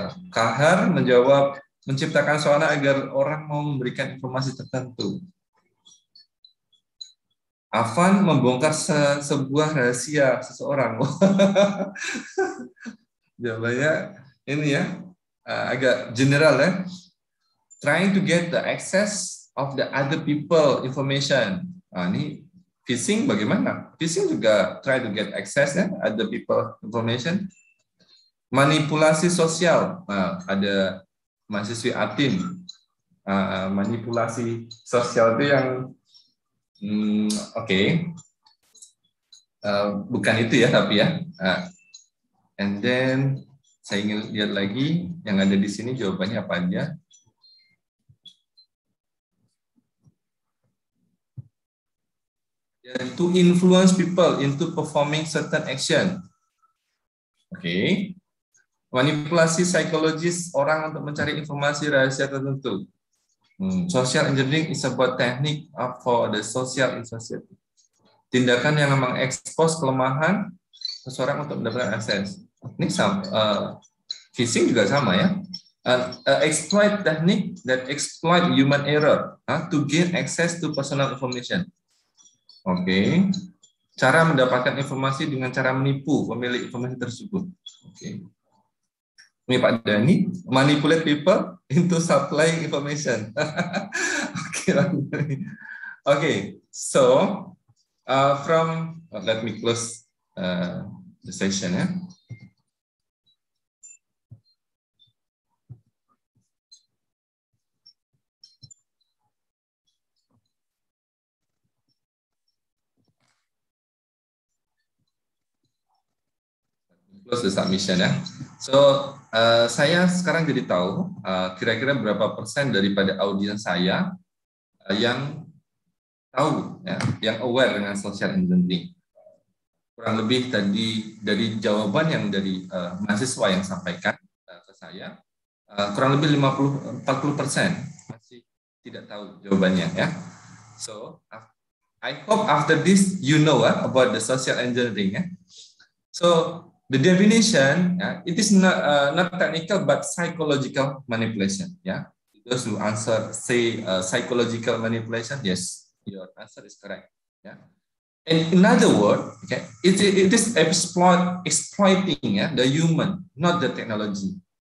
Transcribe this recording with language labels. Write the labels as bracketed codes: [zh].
[id] Kahar menjawab menciptakan suara agar orang mau memberikan informasi tertentu. Afan membongkar sebuah rahasia seseorang. Jawabannya ini ya agak general ya. [en] Trying to get the access of the other people information. [id] Ini phishing bagaimana? Phishing juga [en] try to get access ya other people information. [id] Manipulasi sosial, ada mahasiswi Atin, manipulasi sosial itu yang, oke, okay. Bukan itu ya, tapi ya, [en] and then [id] saya ingin lihat lagi yang ada di sini jawabannya apa aja. [en] Yeah, to influence people into performing certain action, oke. Okay. [id] Manipulasi psikologis orang untuk mencari informasi rahasia tertentu. [en] Social engineering is about technique for the social insensitive. [id] Tindakan yang mengekspos kelemahan seseorang untuk mendapatkan akses. Ini sama, phishing juga sama ya. [en] Exploit technique that exploit human error to gain access to personal information. Oke. Okay. [id] Cara mendapatkan informasi dengan cara menipu pemilik informasi tersebut. Oke. Okay. [en] Ini Pak Dani, manipulate people into supplying information. Oke, okay, so from let me close the session ya. Yeah. close the submission ya. So [id] saya sekarang jadi tahu kira-kira berapa persen daripada audiens saya yang tahu ya, yang aware dengan social engineering. Kurang lebih tadi dari jawaban yang dari mahasiswa yang sampaikan ke saya, kurang lebih 40% masih tidak tahu jawabannya ya. [en] So I hope after this you know about the social engineering ya. So the definition, it is not technical but psychological manipulation. Yeah, those who answer say psychological manipulation. Yes, your answer is correct. Yeah, and another word, okay, it is exploiting the human, not the technology.